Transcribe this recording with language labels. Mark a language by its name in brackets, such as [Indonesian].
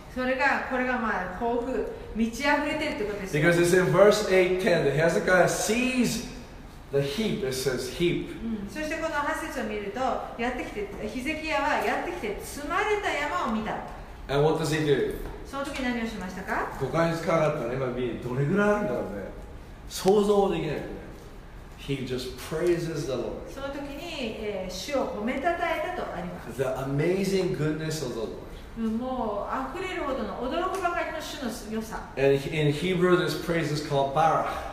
[Japanese] それが、これがまあ、豊富、満ち溢れてるってことですね。 [English] Because it's in verse 8, 10, that Hezekiah sees The heap, it says heap. [Japanese] そしてこの8節を見ると、やってきて、ヒゼキヤはやってきて積まれた山を見た。 [English] And what does he do? [Japanese] その時何をしましたか？ 5ヶ月かかったね、今見、どれぐらいあるんだろうね。想像できない。 [English] He just praises the Lord. [Japanese] その時に、主を褒めたたえたとあります。 [English] The amazing goodness of the Lord. And in Hebrew, this praise is called Barach.